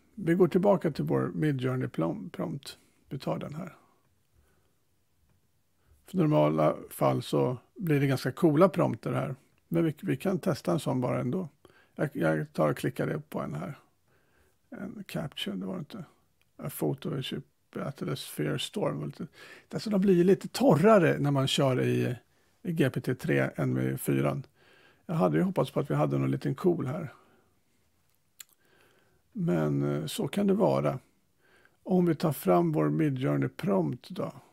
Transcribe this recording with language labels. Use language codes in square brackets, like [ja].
[sv] Vi går tillbaka till vår Midjourney prompt. Vi tar den här. I normala fall så blir det ganska coola prompter här. Men vi kan testa en sån bara ändå. Jag tar och klickar upp på en här. En caption, det var det inte. [en] A photo of a ship at a fair storm. [sv] Alltså de blir lite torrare när man kör i GPT-3 än med 4. Jag hade ju hoppats på att vi hade någon liten cool här. Men så kan det vara. Om vi tar fram vår Midjourney prompt då.